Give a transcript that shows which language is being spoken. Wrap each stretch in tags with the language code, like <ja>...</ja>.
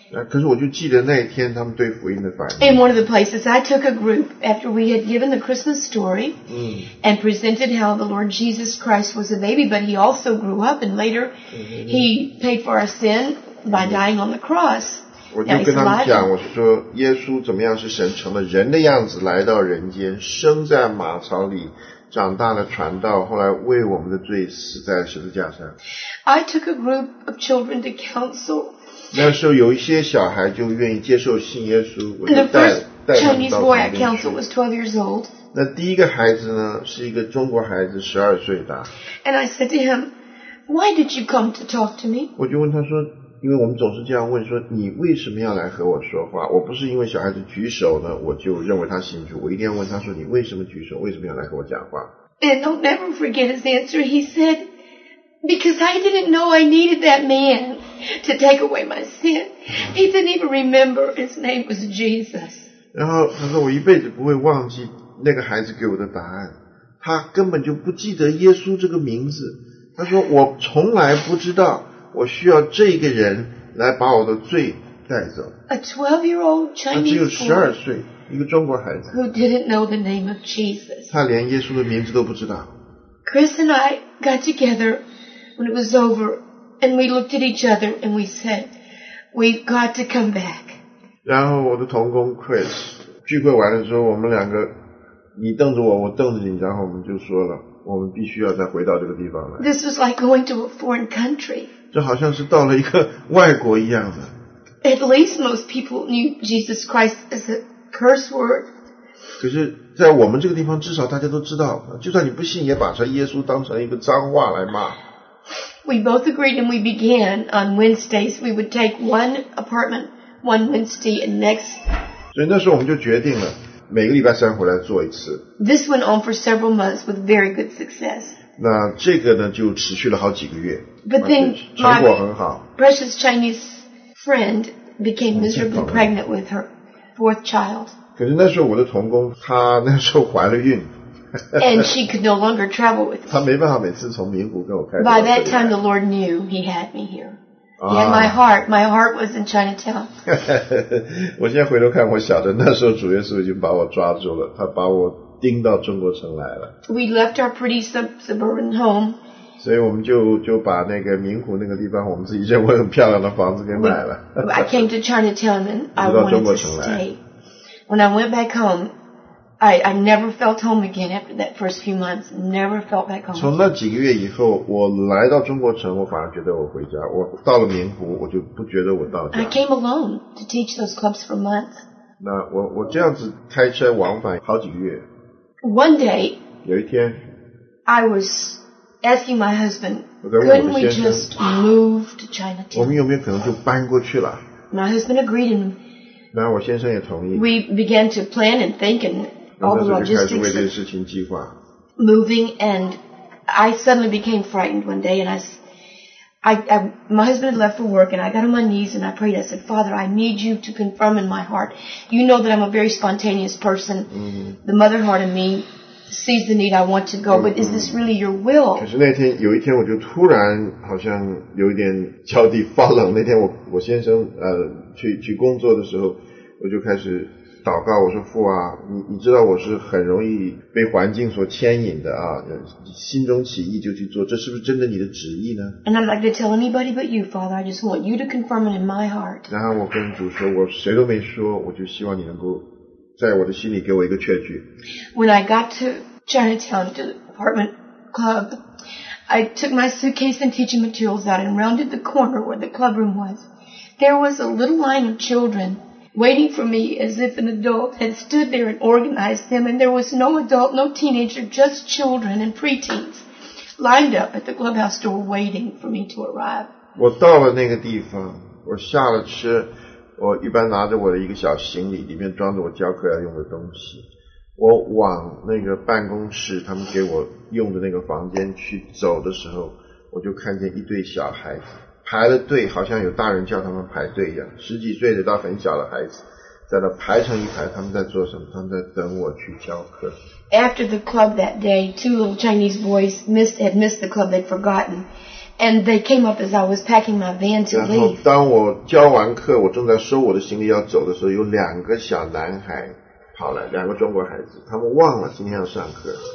<zh>可是我就记得那一天他们对福音的反应。</zh> <en>In one of the places, I took a group after we had given the Christmas story and presented how the Lord Jesus Christ was a baby, but he also grew up and later he paid for our sin by dying on the cross.</en> <zh>我就跟他们讲，我说耶稣怎么样是神成了人的样子来到人间，生在马槽里。长大了传道，后来为我们的罪死在十字架上。</zh> <en>I took a group of children to counsel.</en> <zh>那时候有一些小孩就愿意接受信耶稣，我就带他们到旁边去。</zh> <en>Chinese boy I counseled was 12 years old.</en> <zh>那第一个孩子呢，是一个中国孩子，12岁大。</zh> <en>And I said to him, "Why did you come to talk to me?"</en> <zh>我就问他说，因为我们总是这样问说，你为什么要来和我说话？我不是因为小孩子举手呢，我就认为他信主。我一定要问他说，你为什么举手？为什么要来和我讲话</zh> <en>？And I'll never forget his answer. He said, "Because I didn't know I needed that man to take away my sin." He didn't even remember his name was Jesus.</en> <zh>然后他说，我一辈子不会忘记那个孩子给我的答案。他根本就不记得耶稣这个名字。他说，我从来不知道。我需要这个人来把我的罪带走。</zh> <en>A 12-year-old Chinese boy.</en> <zh>他只有12岁，一个中国孩子。</zh> <en>Who didn't know the name of Jesus.</en> <zh>他连耶稣的名字都不知道。</zh> <en>Chris and I got together when it was over, and we looked at each other and we said, "We've got to come back."</en> <zh>然后我的同工 Chris 聚会完了之后，我们两个，你瞪着我，我瞪着你，然后我们就说了，我们必须要再回到这个地方来。</zh> <en>This was like going to a foreign country.</en> <zh>这好像是到了一个外国一样的。</zh> <en>At least most people knew Jesus Christ as a curse word.</en> <zh>可是在我们这个地方至少大家都知道，就算你不信也把这耶稣当成一个脏话来骂。</zh> <en>We both agreed and we began on Wednesdays. We would take one apartment one Wednesday and next.</en> <zh>所以那时候我们就决定了每个礼拜三回来做一次。</zh> <en>This went on for several months with very good success.</en> <zh>那这个呢就持续了好几个月。</zh> <en>But then,</en> <zh>成果很好。</zh> <en>Precious Chinese friend became miserably pregnant with her fourth child.</en> <zh>可是那时候我的同工她那时候怀了孕。</zh> <en>And she could no longer travel with me.</en> <zh>她没办法每次从名古跟我开车。</zh> <en>By that time, the Lord knew he had me here. He had my heart. My heart was in Chinatown.</en> <zh>我现在回头看，我晓得那时候主耶稣已经把我抓住了，他把我钉到中国城来了。</zh> <en>We left our pretty suburban home.</en> <zh>所以我们就把那个名古那个地方，我们自己认为很漂亮的房子给买了。</zh> <en>I came to Chinatown and I wanted to stay. When I went back home, I never felt home again after that first few months. Never felt back home.</en> <zh>从那几个月以后，我来到中国城，我反而觉得我回家。我到了明湖，我就不觉得我到家。</zh> <en>I came alone to teach those clubs for months.</en> <zh>那我这样子开车往返好几个月。</zh> <en>One day,</en> <zh>有一天</zh> <en>I was asking my husband, couldn't we just move to Chinatown?</en> <zh>我们有没有可能就搬过去了？</zh> <en>My husband agreed and</en> <zh>那我先生也同意。</zh> <en>We began to plan and think and all the logistics.</en> <zh>那开始为这件事情计划。</zh> <en>Moving and I suddenly became frightened one day and I my husband had left for work and I got on my knees and I prayed. I said, "Father, I need you to confirm in my heart. You know that I'm a very spontaneous person. The mother heart in me sees the need. I want to go, but is this really your will?"</en> <zh>可是那天有一天我就突然好像有一点脚底发冷。那天我先生去工作的时候，我就开始祷告，我说父啊，你知道我是很容易被环境所牵引的啊，心中起意就去做，这是不是真的你的旨意呢？</zh> <en>And I'd like to tell anybody but you, Father. I just want you to confirm it in my heart.</en> <zh>然后我跟主说，我谁都没说，我就希望你能够在我的心里给我一个确据。</zh> <en>When I got to Chinatown to the apartment club, I took my suitcase and teaching materials out and rounded the corner where the club room was. There was a little line of children. Waiting for me as if an adult had stood there and organized them, and there was no adult, no teenager, just children and preteens lined up at the clubhouse door waiting for me to arrive.</en> <zh>我到了那个地方，我下了车，我一般拿着我的一个小行李，里面装着我教课要用的东西。我往那个办公室，他们给我用的那个房间去走的时候，我就看见一堆小孩子。排了队，好像有大人叫他们排队一样，十几岁的到很小的孩子，在那排成一排，他们在做什么？他们在等我去教课。</zh> <en>After the club that day, two little Chinese boys had missed the club, they'd forgotten, and they came up as I was packing my van to leave.</en> <zh>然后当我教完课，我正在收我的行李要走的时候，有两个小男孩跑来，两个中国孩子，他们忘了今天要上课。</zh>